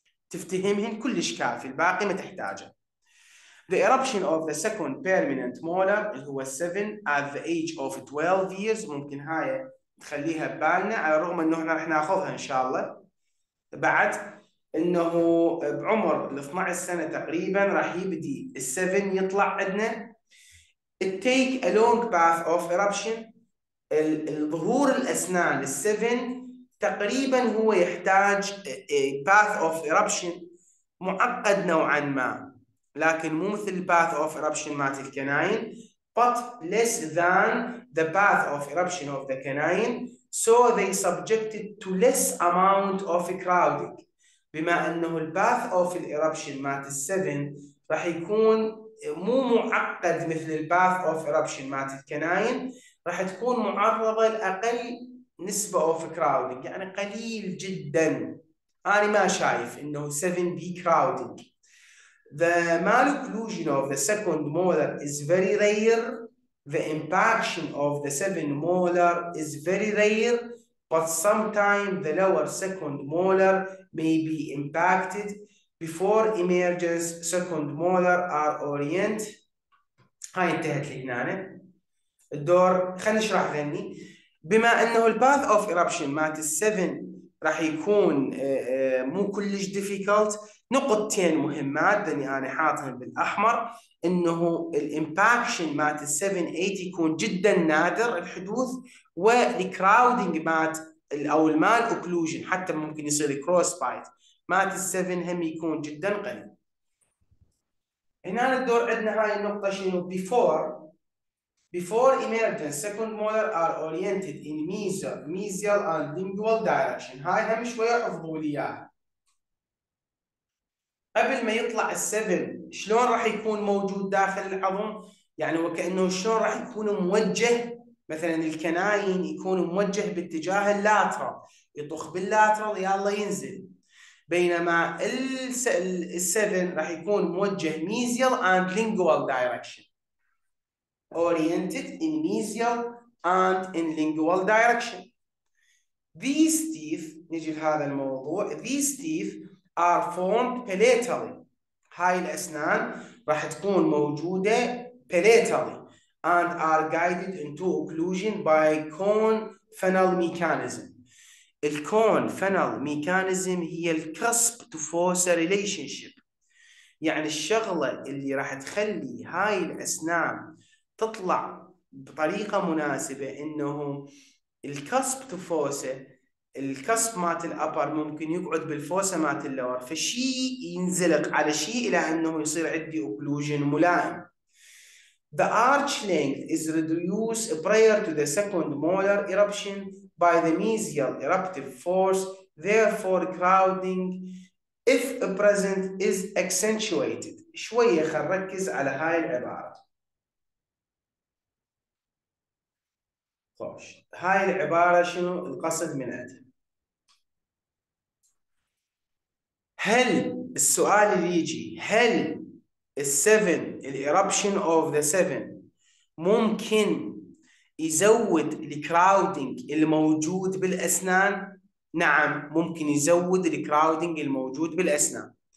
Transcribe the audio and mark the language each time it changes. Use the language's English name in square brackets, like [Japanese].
[Arabic] تفتهمهن كلش كافي، الباقي ما تحتاجه. [English] The eruption of the second permanent molar [Arabic] اللي هو 7 [English] at the age of 12 years، [Arabic] ممكن هاي تخليها ببالنا على الرغم انه احنا رح ناخذها ان شاء الله. بعد انه بعمر ال 12 سنه تقريبا راح يبدي ال 7 يطلع عندنا. [English] It take a long path of eruption، [Arabic] الظهور الاسنان ال 7 تقريبا هو يحتاج باث اوف ايربشن معقد نوعا ما، لكن مو مثل الباث اوف ايربشن مات الكناين، [English] but less than the path of eruption of the canine, so they subjected to less amount of crowding. [Arabic] بما انه الباث اوف الايربشن مات ال7 راح يكون مو معقد مثل الباث اوف ايربشن مات الكناين، راح تكون معرضه لاقل نسبه اوف كراودنج، يعني قليل جدا. انا ما شايف انه 7 بي كراودنج. [English] The malocclusion of the second molar is very rare. The impaction of the seventh molar is very rare, but sometimes the lower second molar may be impacted before emergence. Second molar are orient. [Arabic] هاي انتهت لهنا الدور. خلينا نشرح ذني. بما انه الباث اوف ايربشن مات السفن راح يكون مو كلش difficult، نقطتين مهمات اللي انا حاطهم بالاحمر، انه الامباكشن مات ال 7-8 يكون جدا نادر الحدوث، والكراودنج مات او المال اوكلوجن حتى ممكن يصير كروس بايت مات ال 7 هم يكون جدا قليل. هنا الدور عندنا هاي النقطه شنو؟ [English] Before emergence, second molar are oriented in mesial and lingual direction. [Arabic] هاي هم شوية حفظوا لي اياها. قبل ما يطلع السفن شلون راح يكون موجود داخل العظم؟ يعني وكأنه شلون راح يكون موجه، مثلا الكناين يكون موجه باتجاه اللاترال، يطخ باللاترال يلا ينزل. بينما السفن راح يكون موجه [English] mesial and lingual direction. Oriented in mesial and in lingual direction. These teeth, [Arabic] نجي لهذا الموضوع, [English] these teeth are formed palatally. [Arabic] هاي الأسنان راح تكون موجودة [English] palatally and are guided into occlusion by cone funnel mechanism. Cone funnel mechanism هي الكسب to fossa relationship. [Arabic] يعني الشغلة اللي راح تخلي هاي الأسنان تطلع بطريقة مناسبة انه الكسب تو فوسة، الكسب مات الابر ممكن يقعد بالفوسة مات اللور، فشي ينزلق على شيء الى انه يصير عندي اوكلوجين ملائم. [English] The arch length is reduced prior to the second molar eruption by the mesial eruptive force, therefore crowding if present is accentuated. [Arabic] شوية خنركز على هاي العبارة. خوش، هاي العبارة شنو القصد من عندها؟ هل السؤال اللي يجي، هل السفن الإيربشن أوف ذا سفن ممكن يزود الكراودنج الموجود بالأسنان؟ نعم ممكن يزود الكراودنج الموجود بالأسنان.